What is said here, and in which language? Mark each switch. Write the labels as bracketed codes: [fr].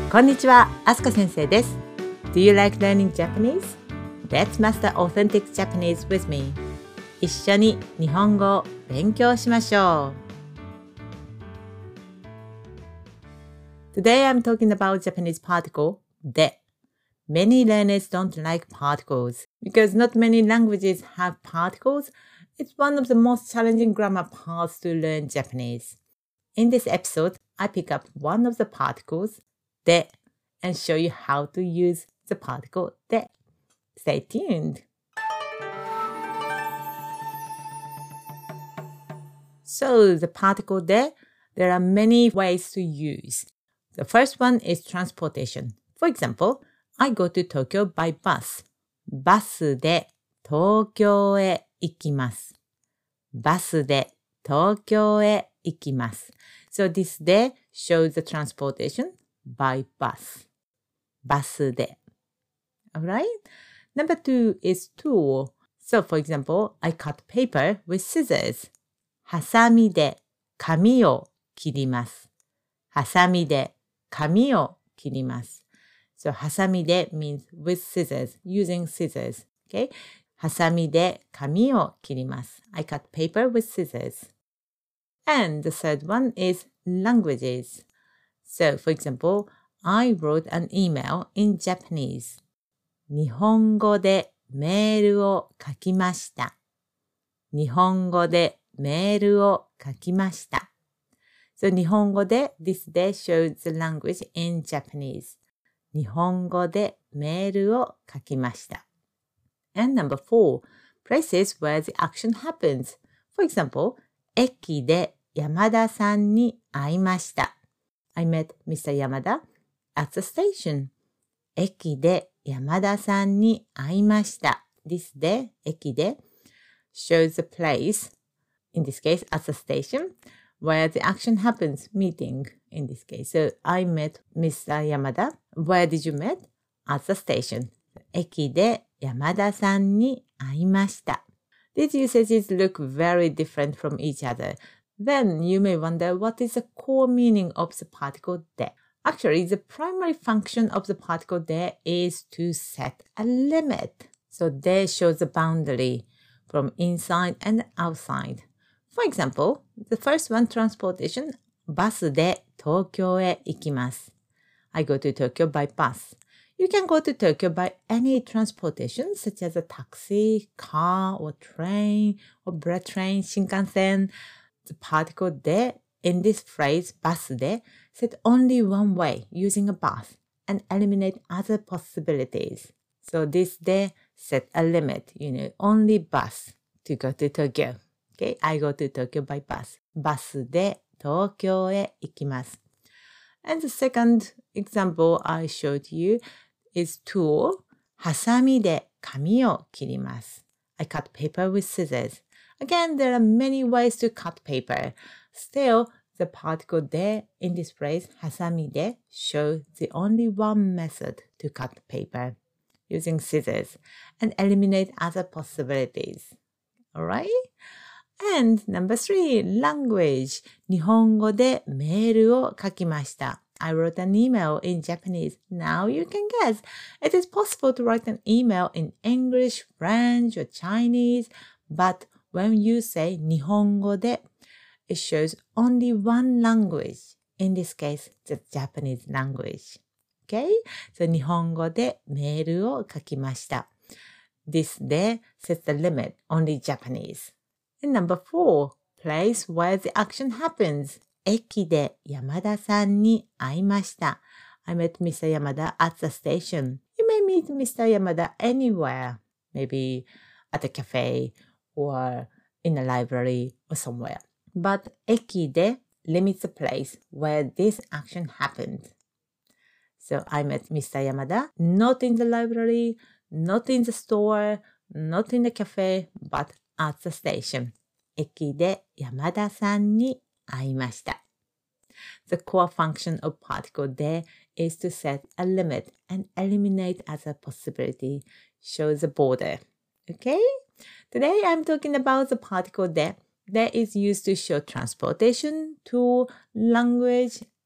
[ja] こんにちは、あすか先生です。 [en] Do you like learning Japanese? Let's master authentic Japanese with me. [ja] 一緒に日本語を勉強しましょう。 [en] Today I'm talking about Japanese particle, で。 Many learners don't like particles because not many languages have particles. It's one of the most challenging grammar parts to learn Japanese. In this episode, I pick up one of the particles, で, and show you how to use the particle で. Stay tuned! So, the particle で, there are many ways to use. The first one is transportation. For example,I go to Tokyo by bus. [ja] バスで東京へ行きます。バスで東京へ行きます。 [en] So this で shows the transportation by bus. [ja] バスで。 [en] Alright? Number two is tool. So for example, I cut paper with scissors. [ja] ハサミで紙を切ります。ハサミで紙を切ります。 [en] So, [ja] ハサミで [en] means with scissors, using scissors. Okay? [ja] ハサミで紙を切ります。 [en] I cut paper with scissors. And the third one is languages. So, for example, I wrote an email in Japanese. [ja] 日本語でメールを書きました。日本語でメールを書きました。 [en] So, [ja] 日本語で [en] this day shows the language in Japanese. [ja] 日本語でメールを書きました。 [en] And number four, places where the action happens. For example, [ja] 駅で山田さんに会いました。 [en] I met Mr. Yamada at the station. [ja] 駅で山田さんに会いました。 [en] This day, [ja] 駅で [en] shows the place, in this case at the station, where the action happens, meeting. In this case, so I met Mr. Yamada. Where did you meet? At the station. [ja] 駅で Yamada さんに会いました。 [en] These usages look very different from each other. Then you may wonder what is the core meaning of the particle で. Actually, the primary function of the particle で is to set a limit. So で shows the boundary from inside and outside. For example, the first one, transportation, [ja] バスで東京へ行きます。 [en] I go to Tokyo by bus. You can go to Tokyo by any transportation such as a taxi, car, or train, or bullet train, Shinkansen. The particle で in this phrase, [ja] バスで, [en] set only one way using a bus and eliminate other possibilities. So this で set a limit, you know, only bus to go to Tokyo. Okay, I go to Tokyo by bus. [ja] バスで東京へ行きます。 [en] And the second example I showed you is tool. [ja] ハサミで紙を切ります。 [en] I cut paper with scissors. Again, there are many ways to cut paper. Still, the particle で in this phrase, [ja] ハサミで, [en] show the only one method to cut paper using scissors and eliminate other possibilities. Alright? And number three, language. [ja] 日本語でメールを書きました。 [en] I wrote an email in Japanese. Now you can guess. It is possible to write an email in English, French, or Chinese. But when you say [ja] 日本語で, [en] it shows only one language. In this case, the Japanese language. Okay? So [ja] 日本語でメールを書きました。 [en] This で sets the limit, only Japanese. And number four, place where the action happens. [ja] 駅で山田さんに会いました。 [en] I met Mr. Yamada at the station. You may meet Mr. Yamada anywhere. Maybe at a cafe or in a library or somewhere. But [ja] 駅で [en] limits the place where this action happened. So I met Mr. Yamada not in the library, not in the store, not in the cafe, butAt the station. [ja] 駅で山田さんに会いました。 [en] The core function of particle で is to set a limit and eliminate other possibility, show the border. Okay? Today I'm talking about the particle で. で is used to show transportation, tool, language,